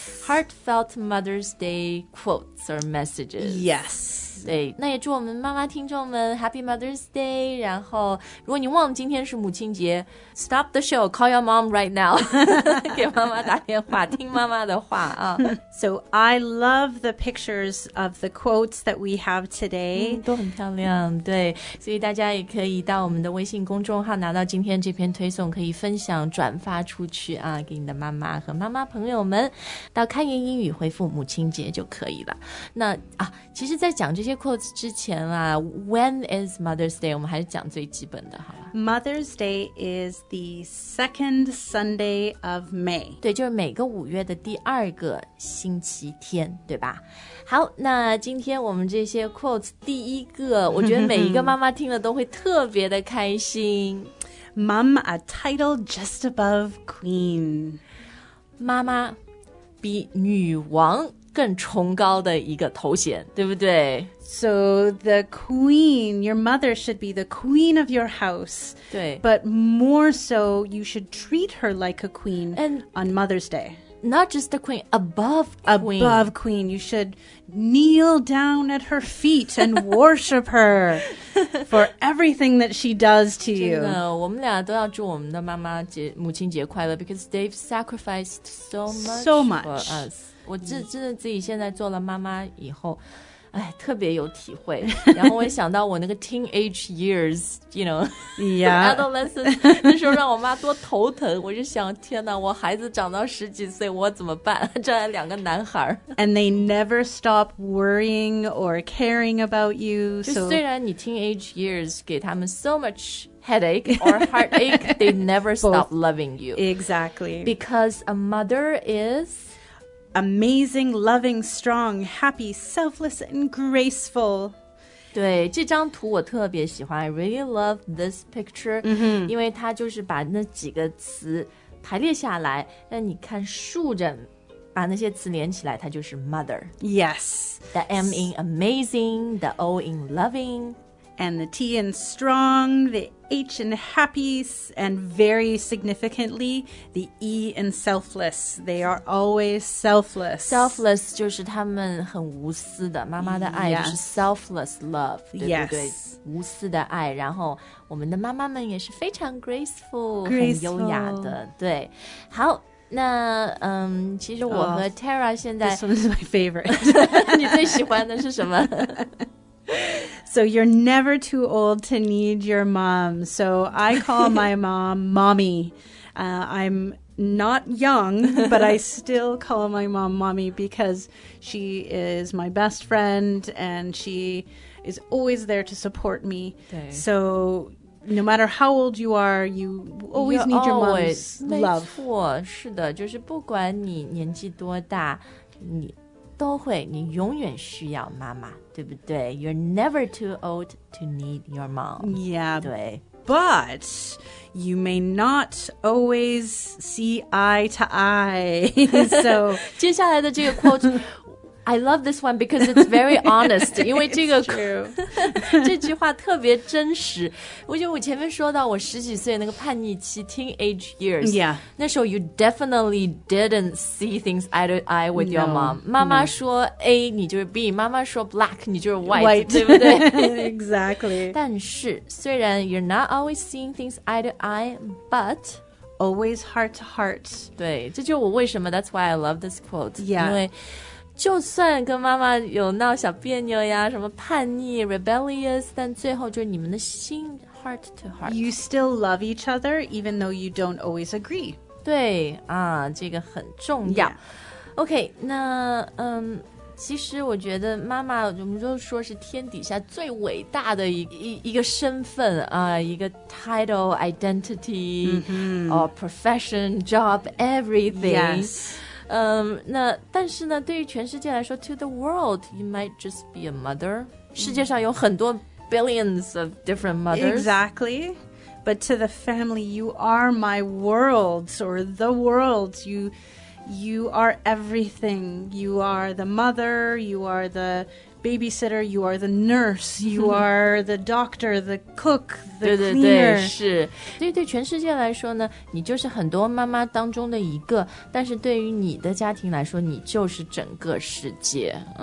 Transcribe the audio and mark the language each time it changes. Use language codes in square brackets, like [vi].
[en] heartfelt Mother's Day quotes or messages。 Yes。 [zh] 对，那也祝我们妈妈听众们 [en] Happy Mother's Day。 [zh] 然后，如果你忘了今天是母亲节 ， [en] Stop the show， call your mom right now， [zh] 给妈妈打电话，听妈妈的话啊。 [en] So I love the pictures of the quotes that we have today.、 [zh] 都很漂亮，对。所以大家也可以到我们的微信公众号拿到今天这篇推送，可以分享转发出去啊，给你的妈妈和妈妈朋友们。到开言英语回复母亲节就可以了。那啊，其实，在讲这些 quotes 之前啊 ， [en] When is Mother's Day？ [zh] 我们还是讲最基本的好了。 [en] Mother's Day is the second Sunday of May。 [zh] 对，就是每个五月的第二个星期天，对吧？好，那今天我们这些 quotes 第一个，我觉得每一个妈妈听了都会特别的开心。 [en] Mom, a title just above queen。 [zh] 妈妈比女王更崇高的一个头衔，对不对？ [en] So the queen, your mother should be the queen of your house. [zh] 对 [en] But more so, you should treat her like a queen and on Mother's Day. Not just the queen, above queen. Above queen. You should kneel down at her feet and worship her for everything that she does to you. [zh] 真的，我们俩都要祝我们的妈妈节，母亲节快乐 [en] because they've sacrificed so much for us. [zh] 我真的自己现在做了妈妈以后哎，特别有体会。然后我也想到我那个 [en] teenage years, you know, yeah, [zh] adolescence, 那时候让我妈多头疼。我就想，天哪，我孩子长到十几岁，我怎么办？这两个男孩。 [en] And they never stop worrying or caring about you. [zh] 就虽然你 [en] teenage years [zh] 给他们 [en] so much headache or heartache, they never stop loving you. Exactly. Because a mother is... Amazing, loving, strong, happy, selfless, and graceful. [zh] 对，这张图我特别喜欢。 [en] I really love this picture. [zh] 因为它就是把那几个词排列下来，让你看竖着把那些词连起来，它就是 mother. [en] Yes. The M in amazing, the O in loving. And the T in strong, the H in happy, and very significantly, the E in selfless. They are always selfless. [zh] Selfless 就是他们很无私的，妈妈的爱就是 selfless love, 对不对？ [en] Yes. [zh] 无私的爱，然后我们的妈妈们也是非常 graceful, [en] graceful. [zh] 很优雅的，对。好。那其实我和 Tara 现在 [en] This one is my favorite. [zh] 你最喜欢的是什么？ [en] So you're never too old to need your mom. So I call my mom mommy. I'm not young, but I still call my mom mommy because she is my best friend and she is always there to support me. So no matter how old you are, you always need your mom's love. [zh] 没错，是的，就是不管你年纪多大，你都会，你永远需要妈妈。对不对 [en] You're never too old to need your mom. Yeah. [zh] 对 [en] But you may not always see eye to eye. So [zh] 接下来的这个 [en] quote, I love this one because it's very honest. [zh] 因为这个 [en] true. [zh] 这句话特别真实。我觉得我前面说到我十几岁那个叛逆期 teenage years. [en] Yeah. [zh] 那时候 [en] you definitely didn't see things eye to eye with your mom. No. [zh] 妈妈说 A, 你就是 B. 妈妈说 black, 你就是 [en] white, [zh] 对不对 [en] Exactly. [zh] 但是虽然 [en] you're not always seeing things eye to eye, but... Always heart to heart. [zh] 对，这就是我为什么 [en] That's why I love this quote. Yeah. [zh] 因为就算跟妈妈有闹小别扭呀，什么叛逆 rebellious, 但最后就是你们的心 [en] heart to heart. You still love each other, even though you don't always agree. [zh] 对啊，这个很重要。 [en] Yeah. [zh] OK, 那其实我觉得妈妈我们就说是天底下最伟大的 一个身份、一个 title, identity,、 mm-hmm. [en] or profession, job, everything. Yes. [zh] 那但是呢对于全世界来说 [en] to the world, you might just be a mother.、Mm-hmm. [zh] 世界上有很多 [en] billions of different mothers. Exactly. But to the family, you are my world or the world. You are everything. You are the mother, you are the babysitter, you are the nurse, you are the doctor, the cook, the cleaner. [zh] 对对对，是。所以对全世界来说呢，你就是很多妈妈当中的一个，但是对于你的家庭来说，你就是整个世界。